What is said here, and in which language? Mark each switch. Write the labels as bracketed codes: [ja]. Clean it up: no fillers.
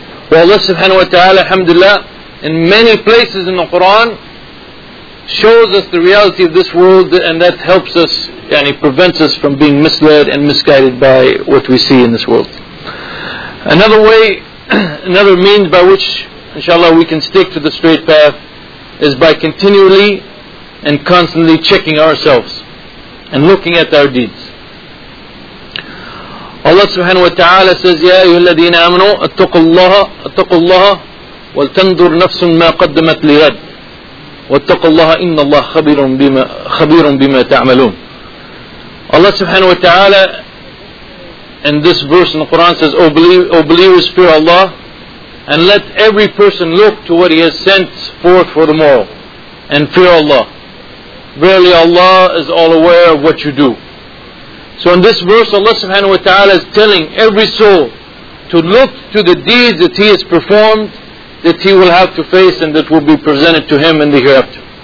[en] Well, Allah subhanahu wa ta'ala, alhamdulillah, in many places in the Quran, shows us the reality of this world, and that helps us, and it prevents us from being misled and misguided by what we see in this world. Another way, another means by which, inshallah, we can stick to the straight path, is by continually and constantly checking ourselves, and looking at our deeds. Allah subhanahu wa ta'ala says, [ar] يَا أَيُّهَا الَّذِينَ آمَنُوا اتَّقُوا اللَّهَ وَلْتَنْظُرْ نَفْسٌ مَا قَدَّمَتْ لِغَدٍ وَاتَّقُوا اللَّهَ إِنَّ اللَّهَ خَبِيرٌ بِمَا تَعْمَلُونَ. [en] Allah subhanahu wa ta'ala in this verse in the Quran says, O believers, fear Allah and let every person look to what He has sent forth for the morrow and fear Allah. Verily Allah is all aware of what you do. So in this verse, Allah subhanahu wa ta'ala is telling every soul to look to the deeds that he has performed, that he will have to face and that will be presented to him in the hereafter.